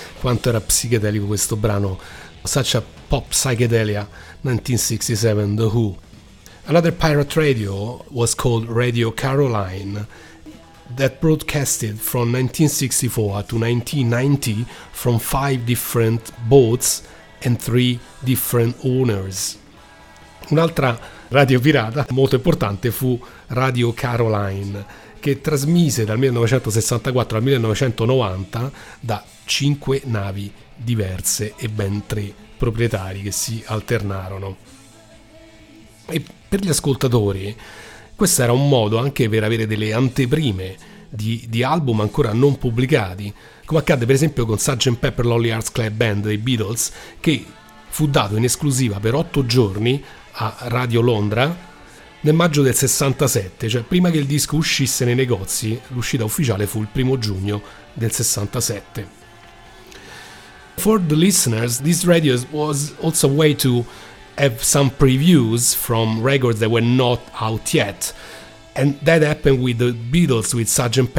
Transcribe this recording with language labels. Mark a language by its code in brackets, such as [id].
[it] Quanto era psichedelico questo brano, [en] such a pop psychedelia, [it] 1967, The Who. [en] Another pirate radio was called Radio Caroline, that broadcasted from 1964 to 1990 from five different boats and three different owners. [it] Un'altra radio pirata molto importante fu Radio Caroline, che trasmise dal 1964 al 1990 da cinque navi diverse e ben tre proprietari che si alternarono. E per gli ascoltatori questo era un modo anche per avere delle anteprime di album ancora non pubblicati, come accadde per esempio con Sgt. Pepper Lonely Hearts Club Band dei Beatles, che fu dato in esclusiva per 8 giorni a Radio Londra nel maggio del 67, cioè prima che il disco uscisse nei negozi. L'uscita ufficiale fu il 1 giugno del 67. [en] For the listeners, this radio was also a way to have some previews from records that were not out yet, and that happened with the Beatles with Sgt.